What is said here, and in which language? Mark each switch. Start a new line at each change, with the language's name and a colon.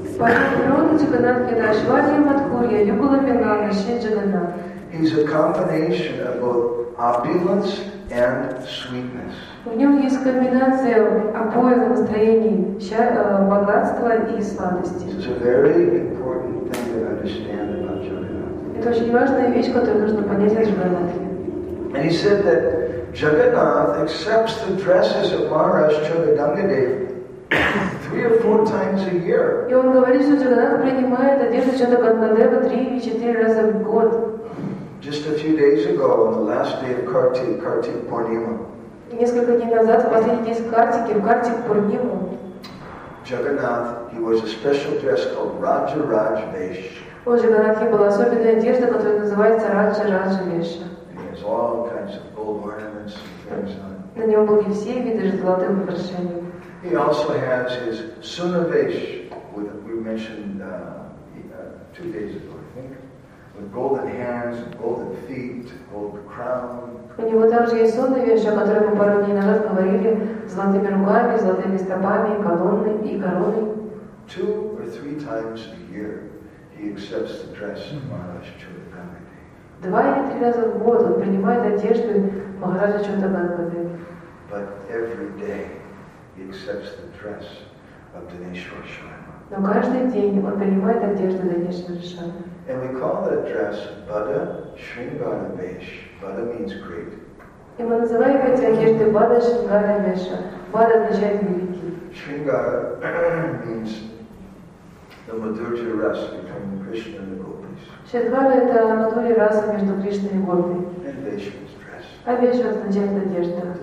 English: He's a combination of both opulence and sweetness.
Russian: В нем есть комбинация обоих настроений, богатства и сладости.
English: It's a very important thing to understand about Jagannath.
Russian: Это очень важная вещь, которую нужно понять о Джаганнате.
English: And he said that Jagannath accepts the dresses of Maharaj Chaturganga-dev 3 or 4 times a year.
Russian: И он говорит, что Джаганнат принимает одежду Чатурганга-дева 3 или 4 раза в год.
English: Just a few days ago, on the last day of Kartik Purnima.
Russian: Несколько дней назад, в последний день Картики, в Картик Пурниму.
English: Jagannath, he wears a special dress called Raja Raja Vesha.
Russian: У Джаганнатхи была особенная одежда, которая называется Раджа Раджа Веша.
English: All kinds of gold ornaments and things on.
Russian: На нем были все виды золотых украшений.
English: He also has his sunavesh, which we mentioned 2 days ago, I think, with golden hands, golden feet, gold crown.
Russian: У него также есть сунавеш, о котором мы пару дней назад говорили, золотыми руками, золотыми стопами, колонны и короной.
English: 2 or 3 times a year, he accepts the dress of Maharaj Chatur.
Russian: 2 или 3 раза в год он принимает одежду Махараджа Чатурганга-девы.
English: But every day he accepts the dress of Dhaneshwar Sharma.
Russian: Но каждый день он принимает одежду Dhaneshwara Sharma.
English: And we call that dress Bada Shringara Vesh. Bada means great.
Russian: И мы называем эти одежды Бада Шрингара Веша. Бада означает великий.
English: Шрингара means the Madhurya Ras between Krishna and the Gopis.
Russian: Шетвара — это натуре раса между Кришной и Гопи. А Веша означает одежда.